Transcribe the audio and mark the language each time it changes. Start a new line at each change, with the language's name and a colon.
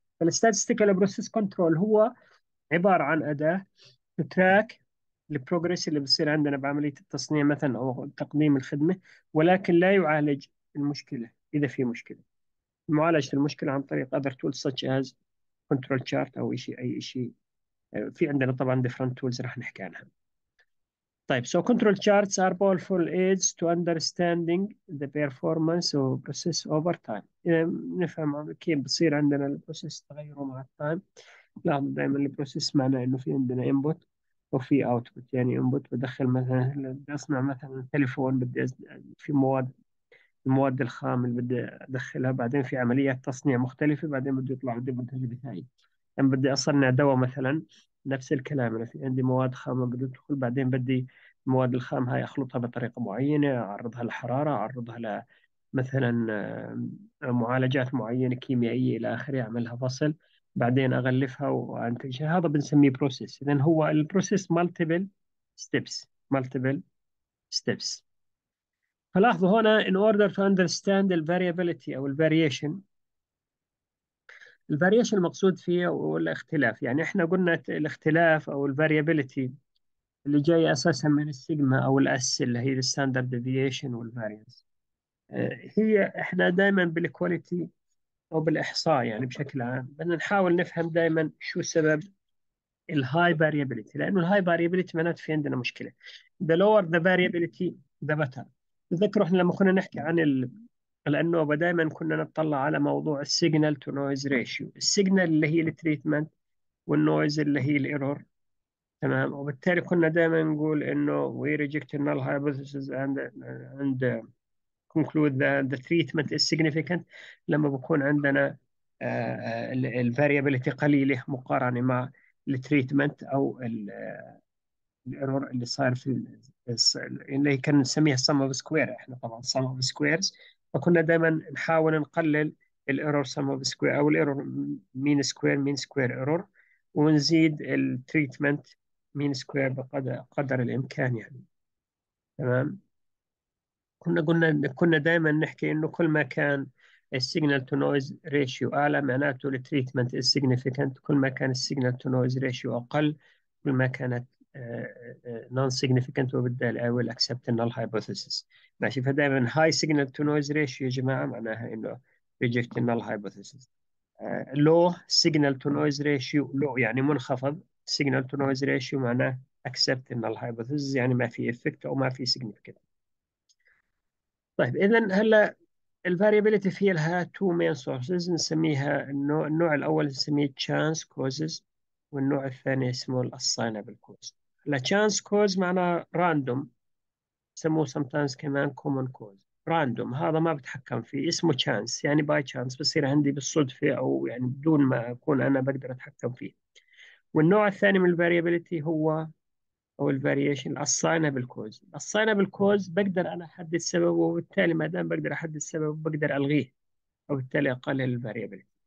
Arabic: فالستاتستيكال بروسيس كنترول هو عباره عن اداه تراك البروجريس اللي بصير عندنا بعملية التصنيع مثلا أو تقديم الخدمة، ولكن لا يعالج المشكلة إذا في مشكلة. معالجة المشكلة عن طريق
English: other tools such as control chart
Arabic: أو إشي أي إشي. في عندنا طبعا
English: different tools
Arabic: راح نحكي عنها.
English: طيب، so control charts are powerful aids to understanding the performance of process over time.
Arabic: إذا نفهم كيف بصير عندنا البروسيس تغيره مع التايم. لاحظ دائما البروسيس معناه إنه في عندنا input وفي اوتبوت، يعني انبوت بدخل مثلا، بدي اصنع مثلا تليفون، بدي في مواد، المواد الخام اللي بدي ادخلها، بعدين في عمليات تصنيع مختلفه، بعدين بده يطلع عندي منتج نهائي. يعني بدي اصنع دواء مثلا، نفس الكلام، انا في عندي مواد خامه بده تدخل، بعدين بدي المواد الخام هاي اخلطها بطريقه معينه، اعرضها لحراره، اعرضها ل مثلا معالجات معينه كيميائيه الى اخره، اعملها فصل، بعدين اغلفها وانتجها. هذا بنسميه بروسيس. اذا هو البروسيس مالتيبل ستيبس، مالتيبل ستيبس. فلاحظوا هنا
English: in order to understand the variability
Arabic: او الفاريشن. الفاريشن المقصود فيه هو الاختلاف، يعني احنا قلنا الاختلاف او الفاريبيليتي اللي جاي اساسا من السيجما او الاس اللي هي الستاندرد ديفيشن والفاريانس. هي احنا دائما بالكواليتي أو بالإحصاء يعني بشكل عام بدنا نحاول نفهم دائما شو سبب الهاي variability، لأنه الهاي variability معناته في عندنا مشكلة.
English: The lower the variability the better.
Arabic: تذكروا احنا لما كنا نحكي عن لأنه دائما كنا نتطلع على موضوع السيجنال تو نويز ريشيو، السيجنال اللي هي التريتمنت والنويز اللي هي الايرور. تمام. وبالتالي كنا دائما نقول انه
English: we reject null hypothesis and conclude that the treatment is significant
Arabic: لما بكون عندنا ال variability قليلة مقارنة مع ال treatment أو ال error اللي صاير في اللي كان نسميها
English: sum of square.
Arabic: احنا طبعا sum of squares، فكنا دائما نحاول نقلل ال error sum of square أو ال error mean square mean square error، ونزيد ال treatment mean square بقدر الإمكان يعني. تمام. كنا دائما نحكي انه كل ما كان السيجنال تو نويز ريشيو اعلى معناته التريتمنت از سيجنيفيكانت، كل ما كان السيجنال تو نويز ريشيو اقل كل ما كانت نون سيجنيفيكانت، وبالتالي اي ويل اكسبت النال هايبوثيسيس. ماشي. فدائما هاي سيجنال تو نويز ريشيو يا جماعه معناها انه ريجكت النال هايبوثيسيس. لو سيجنال تو نويز ريشيو لو يعني منخفض، سيجنال تو نويز ريشيو معناه اكسبت النال هايبوثيسيس، يعني ما في افكت او ما في سيجنيفيكانت. طيب، إذن هلا الـ variability فيها لها two main sources، نسميها النوع الأول نسميه chance causes، والنوع الثاني اسمه assignable cause. هلا chance cause معناه random، يسموه sometimes كمان common cause. random هذا ما بتحكم فيه، اسمه chance يعني
English: by chance،
Arabic: بصير عندي بالصدفة أو يعني بدون ما أكون أنا بقدر أتحكم فيه. والنوع الثاني من الـ variability هو أو الـ variation assignable cause. assignable cause بقدر أنا أحدد سببه، وبالتالي ما دام بقدر أحدد سببه بقدر ألغيه، وبالتالي أقلل الـ variability.